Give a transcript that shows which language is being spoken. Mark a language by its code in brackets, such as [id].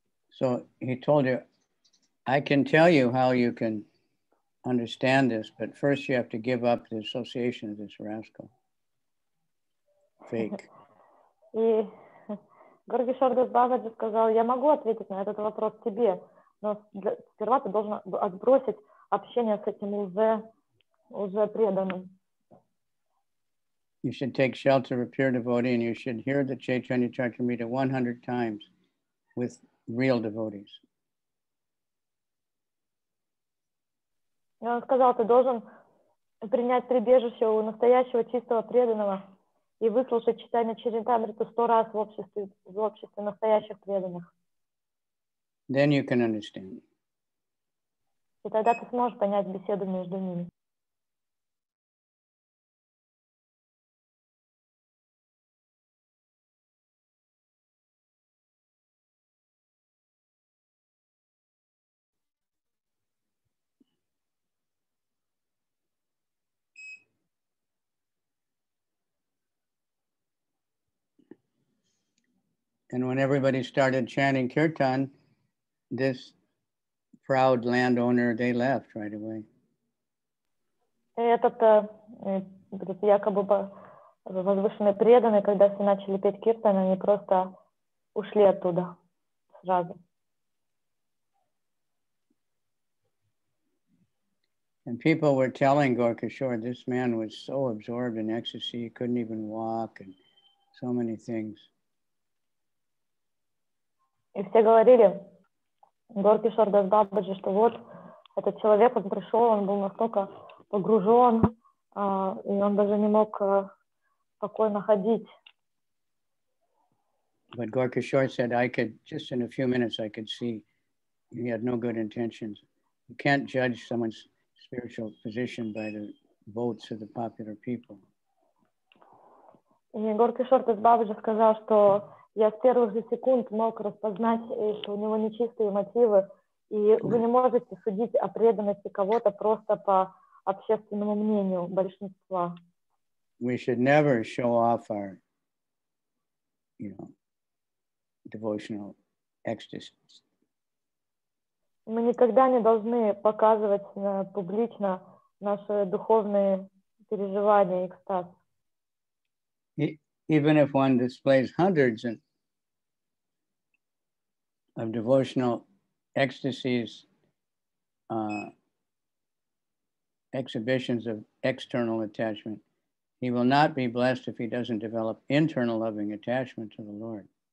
[en] So he told you, I can tell you how you can understand this, but first you have to give up the association of this rascal. Fake. [ru] И Гаур-Кишор Дас Бабаджи сказал, я могу ответить на этот вопрос тебе, но сперва ты должен отбросить общение с этим уже преданным. [en] You should take shelter of pure devotee and you should hear the Chaitanya Charitamrita 100 times with real devotees. [ru] Он сказал, ты должен принять прибежище у настоящего чистого преданного и выслушать Чайтанья Чаритамриту 100 раз в обществе настоящих преданных. [en] Then you can understand. [ru] И тогда ты сможешь понять беседу между ними. [en] And when everybody started chanting kirtan, this proud landowner, they left right away. [ru] Этот якобы возвышенный преданный, когда все начали петь киртан, они просто ушли оттуда сразу. [en] And people were telling Gaurakishore, this man was so absorbed in ecstasy, he couldn't even walk, and so many things. [ru] И все говорили, Гаурикишор дас Бабаджи, что вот этот человек, он пришел, он был настолько погружен, и он даже не мог спокойно ходить. [en] But Gaurakishore said, I could, just in a few minutes, I could see he had no good intentions. You can't judge someone's spiritual position by the votes of the popular people. [ru] И Гаурикишор дас Бабаджи сказал, что я с первых же секунд мог распознать, что у него нечистые мотивы, и вы не можете судить о преданности кого-то просто по общественному мнению большинства. [en] We should never show off our, you know, devotional ecstasies. [ru] Мы никогда не должны показывать публично наши духовные переживания, экстаз. [en] Even if one displays hundreds and of devotional ecstasies, exhibitions of external attachment, he will not be blessed if he doesn't develop internal loving attachment to the Lord.